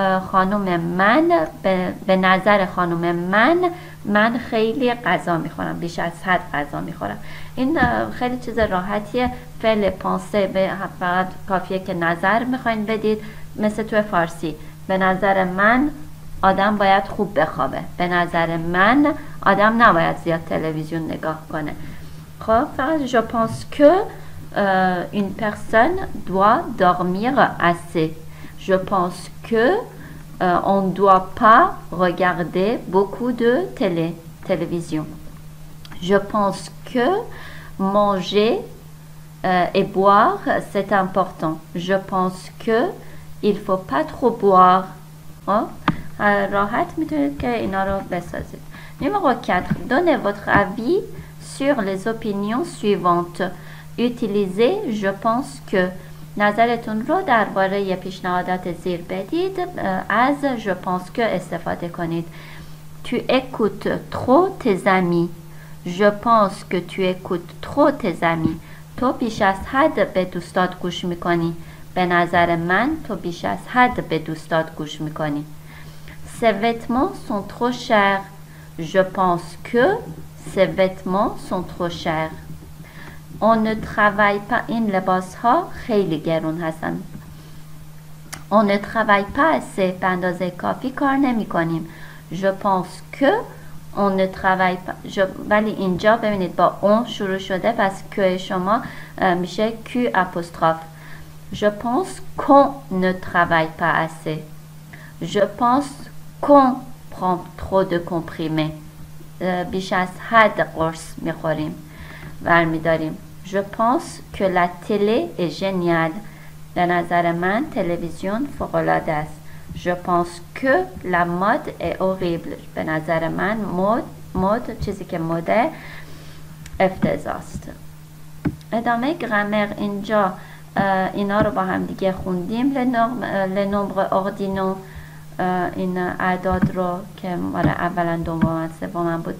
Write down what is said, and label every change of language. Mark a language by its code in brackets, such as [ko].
[fa] خانم من به نظر خانم من خیلی غذا میخورم بیش از حد غذا میخورم این خیلی چیز راحتیه فعل پانسه فقط کافیه که نظر میخواین بدید مثل تو فارسی به نظر من آدم باید خوب بخوابه به نظر من آدم نباید زیاد تلویزیون نگاه کنه خب فقط [fr] je pense que une personne doit dormir assez Je pense que on ne doit pas regarder beaucoup de télévision. Je pense que manger et boire, c'est important. Je pense que il faut pas trop boire. [fa] Rahat, mitunit ke inaro besazit. Numéro 4. [fr] Donnez votre avis sur les opinions suivantes. Utilisez « je pense que ». [fa] نظرتون رو درباره پیشنهادات زیر بدید از je pense que استفاده کنید [fr] tu écoutes trop tes amis [fa] je pense que tu écoutes trop tes amis تو بیش از حد به دوستات گوش میکنی به نظر من تو بیش از حد به دوستات گوش میکنی [fr] ces vêtements sont trop chers je pense que ces vêtements sont trop chers On ne travaille pas in [fa] لباس ها خیلی گرون هستن. [fr] On ne travaille pas assez [fa] به اندازه کافی کار نمی کنیم. [fr] Je pense que on ne travaille pas. [fa] ولی اینجا ببینید با اون شروع شده پس که شما میشه Q apostrof. [fr] Je pense qu'on ne travaille pas assez. Je pense qu'on prend trop de comprimés. [fa] بیش از حد قرص میخوریم برمیداریم. [fr] Je pense que la télé est géniale. [fa] به نظر من تلویزیون فوق‌العاده است. [fr] Je pense que la mode est horrible. [fa] به نظر من مد چیزی که مده افتضاح است. ادامه گرامر اینجا اینا رو با هم دیگه خوندیم. [fr] Le nombre ordinaux [fa] این اعداد رو که اولا دوم سوم بود.